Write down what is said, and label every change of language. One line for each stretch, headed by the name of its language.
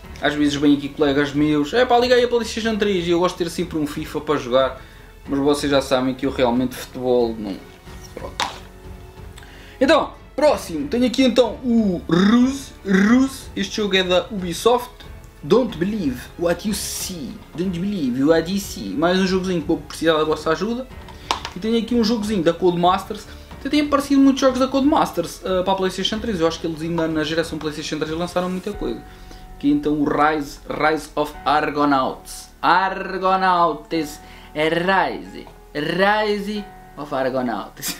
Portuguese: Às vezes vêm aqui colegas meus, é pá, liguei a PlayStation 3 e eu gosto de ter sempre um FIFA para jogar, mas vocês já sabem que eu realmente futebol não. Pronto. Então, próximo, tenho aqui então o Ruse, este jogo é da Ubisoft.
English: Don't believe what you see, don't believe what you see.
Portuguese: Mais um jogozinho que vou precisar da vossa ajuda. E tenho aqui um jogozinho da Codemasters. Até têm aparecido muitos jogos da Codemasters para a PlayStation 3, eu acho que eles ainda na geração PlayStation 3 lançaram muita coisa. Então o Rise of Argonauts. Argonautes. É Rise. Rise of Argonautes.